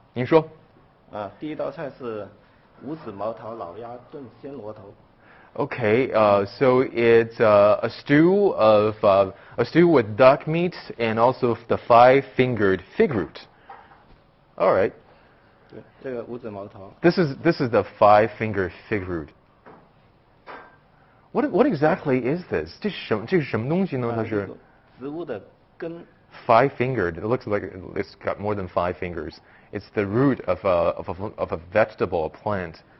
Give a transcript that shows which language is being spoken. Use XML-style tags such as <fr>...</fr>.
<zh>您说，第一道菜是五指毛桃老鸭炖暹罗头。Okay,</zh> <en>so it's a stew with duck meat and also the five-fingered fig root. All right.</en> <zh>对，这个五指毛桃。</zh> <en>This is the five-fingered fig root. What exactly is this?</en> <zh>这是什么东西呢？它是植物的根。</zh> <en>Five-fingered. It looks like it's got more than five fingers. It's the root of a vegetable, a plant.</en>